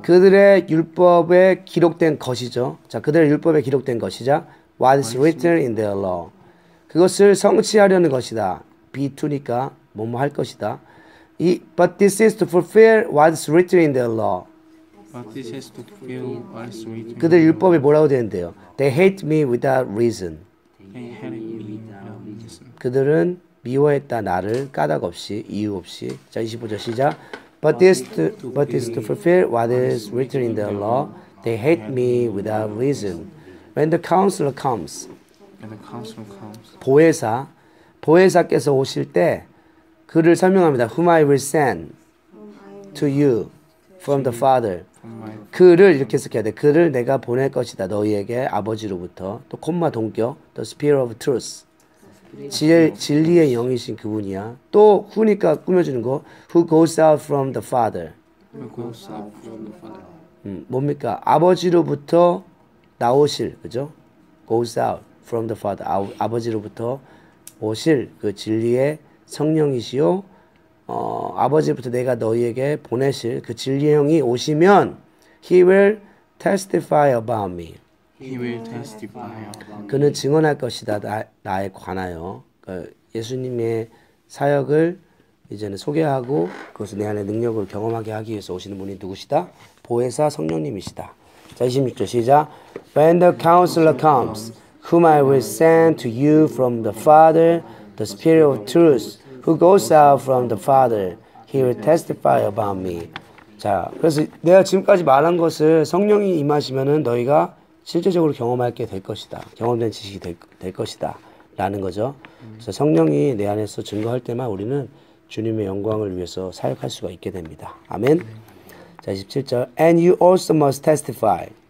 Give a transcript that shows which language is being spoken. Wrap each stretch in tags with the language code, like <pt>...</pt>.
<ko>그들의 율법에 기록된 것이죠. 자 그들의 율법에 기록된 것이자</ko> <en>What is written in their law.</en> <ko>그것을 성취하려는 것이다.</ko> <en>Be to</en> <ko>니까 뭐뭐 할 것이다.</ko> <en>But this is to fulfill what is written in their law. But this is to fulfill what is written in their law.</en> <ko>그들 율법에 뭐라고 되는데요?</ko> <en>They hate me without reason. They hate me without reason.</en> <ko>그들은 미워했다 나를 까닭 없이 이유 없이. 자 25절 시작.</ko> <en>But this is to fulfill what is written in their law. They hate me without reason. When the counselor comes. And it comes from comes.</en> <ko>보혜사. 보혜사께서 오실 때 그를 설명합니다.</ko> <en>Whom I will send to you from the Father.</en> <ko>그를 이렇게 해석해야 돼. 그를 내가 보낼 것이다. 너희에게 아버지로부터. 또 콤마 동격.</ko> <en>The Spirit of Truth.</en> <ko>진리의 영이신 그분이야. 또 후니까 꾸며주는 거.</ko> <en>Who goes out from the Father. Who goes out from the Father.</en> <ko>뭡니까? 아버지로부터 나오실. 그죠?</ko> <en>Goes out from the Father.</en> <ko>아버지로부터 오실 그 진리의 성령이시오. 아버지부터 내가 너희에게 보내실 그 진리의 형이 오시면</ko> <en>He will testify about me. He will testify about me.</en> <ko>그는 증언할 것이다. 나에 관하여. 그 예수님의 사역을 이제는 소개하고 그것을 내 안에 능력을 경험하게 하기 위해서 오시는 분이 누구시다? 보혜사 성령님이시다. 자 26절 시작.</ko> <en>When the counselor comes, whom I will send to you from the Father, the Spirit of Truth, who goes out from the Father, he will testify about me.</en> <ko>자, 그래서 내가 지금까지 말한 것을 성령이 임하시면은 너희가 실제적으로 경험하게 될 것이다. 경험된 지식이 될 것이다. 라는 거죠. 그래서 성령이 내 안에서 증거할 때만 우리는 주님의 영광을 위해서 사역할 수가 있게 됩니다. 아멘. 자, 27절.</ko> <en>And you also must testify.</en>